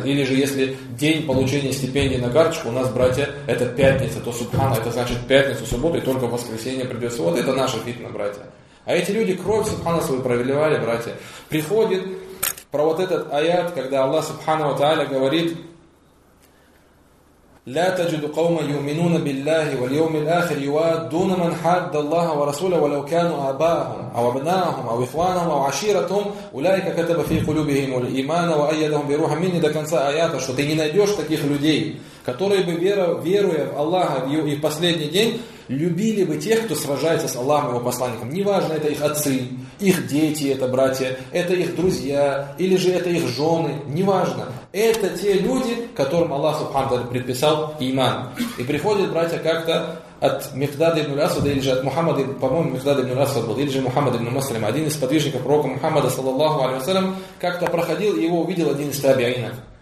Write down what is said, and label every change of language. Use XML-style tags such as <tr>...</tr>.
<ru>Или же если день получения стипендии на карточку, у нас, братья, это пятница, то субхана, это значит пятницу, субботу, и только в воскресенье придется. Вот это наша фитна, братья. А эти люди кровь, субхана, свою проливали, братья. Приходит про вот этот аят, когда Аллах, субхана ва тааля, говорит...</ru> <ar>لَا تَجِدُ قَوْمًا يُؤْمِنُونَ بِاللَّهِ وَالْيَوْمِ الْآخِرِ يُوَادُّونَ مَنْ حَادَّ اللَّهَ وَرَسُولَهُ وَلَوْ كَانُوا آبَاءَهُمْ أَوْ أَبْنَاءَهُمْ أَوْ إِخْوَانَهُمْ أَوْ عَشِيرَتَهُمْ أُولَٰئِكَ كَتَبَ فِي قُلُوبِهِمُ الْإِيمَانَ وَأَيَّدَهُمْ بِرُوحٍ مِّنْهُ دَكَنْسَ آيَاتَ</ar> <ru>Что ты не найдешь таких людей, которые бы, веруя в Аллаха в его, и в последний день, любили бы тех, кто сражается с Аллахом и его посланником. Неважно, это их отцы, их дети, это братья, это их друзья, или же это их жены, неважно. Это те люди, которым Аллах субхану ва тааля предписал иман. И приходят братья как-то от Мехдада ибн Асуда, или же от Мухаммада, по-моему, Мехдада ибн Асуда был, или же Мухаммад ибн Маслим, один из подвижников пророка Мухаммада, саллаллаху алейхи ва саллям, как-то проходил, его увидел один из табиинов.</ru>